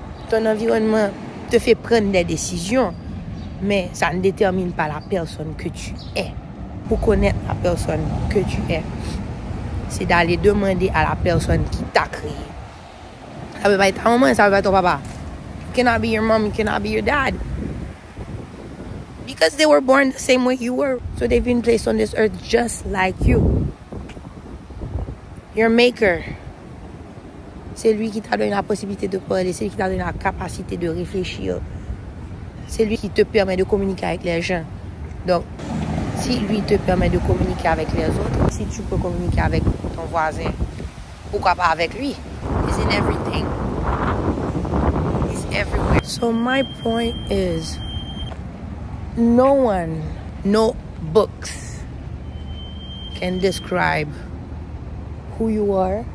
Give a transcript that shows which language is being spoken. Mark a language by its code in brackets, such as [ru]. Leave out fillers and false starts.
[fr] Ton environnement te fait prendre des décisions, mais ça ne détermine pas la personne que tu es. Pour connaître la personne que tu es, c'est d'aller demander à la personne qui t'a créé. Ça peut pas être ta maman, ça peut pas être ton papa. [en] It cannot be your mom, it cannot be your dad. Because they were born the same way you were. So they've been placed on this earth just like you. Your maker. [fr] C'est lui qui t'a donné la possibilité de parler. C'est lui qui t'a donné la capacité de réfléchir. C'est lui qui te permet de communiquer avec les gens. Donc, si lui te permet de communiquer avec les autres, si tu peux communiquer avec ton voisin, pourquoi pas avec lui? [en] Is in everything. It's everywhere. So my point is, no one, no books can describe who you are